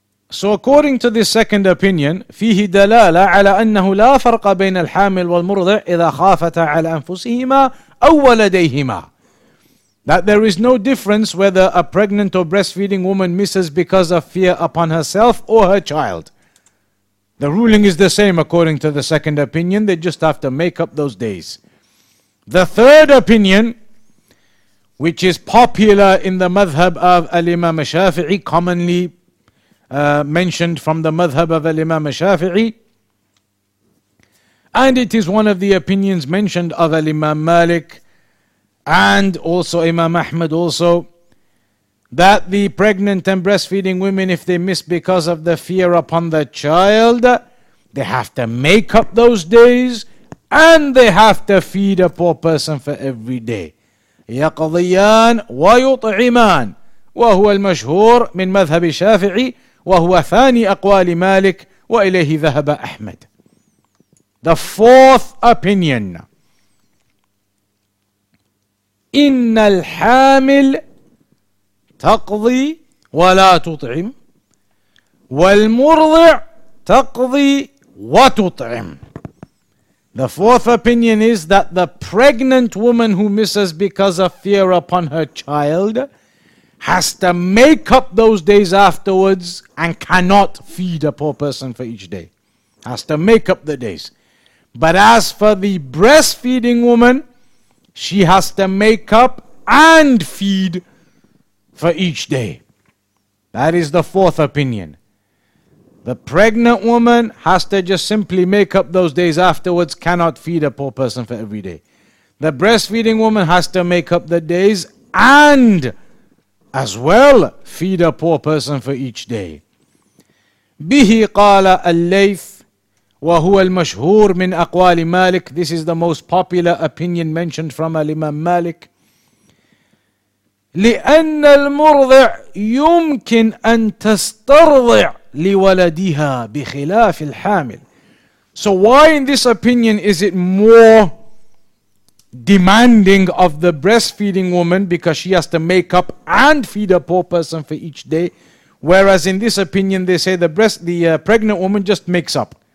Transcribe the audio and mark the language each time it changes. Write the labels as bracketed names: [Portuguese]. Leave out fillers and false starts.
[English] So according to this second opinion, [Arabic] فيه دلالة على أنه لا فرق بين الحامل والمرضع إذا خافتا على أنفسهما أو ولديهما. [English] That there is no difference whether a pregnant or breastfeeding woman misses because of fear upon herself or her child. The ruling is the same according to the second opinion. They just have to make up those days. The third opinion, which is popular in the madhab of Al-Imam Shafi'i, commonly mentioned from the madhab of Al-Imam Shafi'i, and it is one of the opinions mentioned of Al-Imam Malik, and also Imam Ahmad also, that the pregnant and breastfeeding women, if they miss because of the fear upon the child, they have to make up those days, and they have to feed a poor person for every day. [Arabic] يقضيان ويطعمان وهو المشهور من مذهب الشافعي وهو ثاني أقوال مالك وإليه ذهب أحمد. [English] The fourth opinion. [Arabic] إن الحامل تقضي ولا تطعم والمرضع تقضي وتطعم. [English] The fourth opinion is that the pregnant woman who misses because of fear upon her child has to make up those days afterwards and cannot feed a poor person for each day. Has to make up the days. But as for the breastfeeding woman, she has to make up and feed for each day. That is the fourth opinion. The pregnant woman has to just simply make up those days afterwards, cannot feed a poor person for every day. The breastfeeding woman has to make up the days and as well feed a poor person for each day. [Arabic] Bihi qala al-layth. وهو المشهور من أقوال مالك. [English] This is the most popular opinion mentioned from Imam Malik. [Arabic] لأن المرضع يمكن أن تسترضع لولديها بخلاف الحامل. [English] So why in this opinion is it more demanding of the breastfeeding woman because she has to make up and feed a poor person for each day, whereas in this opinion they say the pregnant woman just makes up.